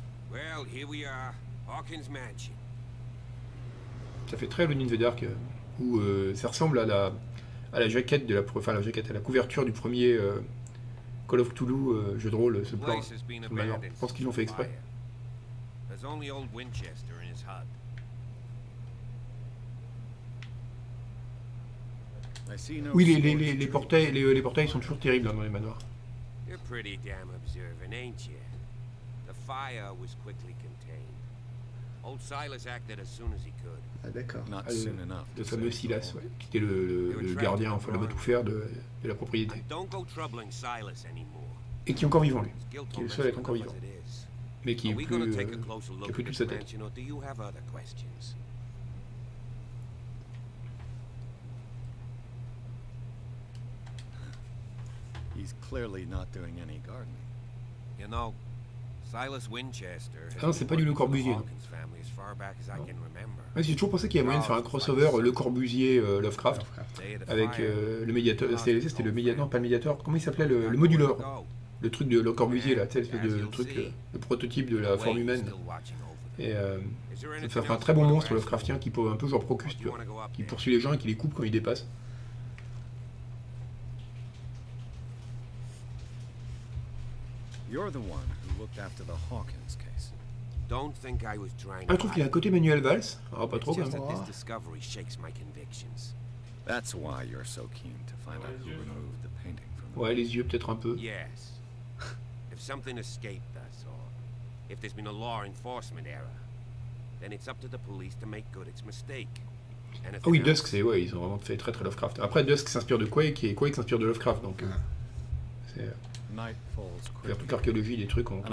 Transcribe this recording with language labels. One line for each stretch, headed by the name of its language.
English: Well, here we are, Hawkins Mansion.
French: Ça fait très Alone in the Dark, où ça ressemble à la jaquette, à la couverture du premier Call of Cthulhu, jeu de rôle, ce plan. Je pense qu'ils l'ont fait exprès.
English: There's only old Winchester in his hut.
French: Oui, les portails, les portails sont toujours terribles dans les manoirs.
English: You're pretty damn observant, ain't you? The fire was quickly contained. Old Silas acted as soon as he could.
French: Ah d'accord.
English: Not soon enough.
French: Le fameux Silas, qui était le gardien, enfin l'homme à tout faire de la propriété.
English: Don't go troubling Silas anymore.
French: Et qui est encore vivant, lui. Qui est le seul à être encore vivant. Mais qui est plus toute sa tête.
English: Or do you have other questions? He's clearly not doing any gardening. You know, Silas Winchester.
French: Non, c'est pas du Le Corbusier.
English: As far back as I can remember.
French: Mais j'ai toujours pensé qu'il y avait moyen de faire un crossover Le Corbusier Lovecraft avec le médiateur. C'était le médiateur, pas le médiateur. Comment il s'appelait le moduleur? Le truc de Le Corbusier, là, tu sais, le prototype de la forme humaine. Et ça fait un très bon monstre Lovecraftien qui peut un peu genre Procus, tu vois, qui poursuit les gens et qui les coupe quand ils dépassent.
English: You're the one who looked after the Hawkins case. Don't think I was trying.
French: Je trouve qu'il a côté Manuel Valls. Oh, pas trop quand même.
English: This discovery shakes my convictions. That's why you're so keen to find out who removed the painting from the.
French: Ouais, les yeux peut-être un peu.
English: Yes. If something escaped us, or if there's been a law enforcement error, then it's up to the police to make good its mistake.
French: Ah oui, Dusk, c'est ouais, ils ont vraiment fait très très Lovecraft. Après, Dusk s'inspire de Quake et Quake s'inspire de Lovecraft, donc. C'est.
English: Night falls quickly.
French: Faire toute l'archéologie des trucs en tout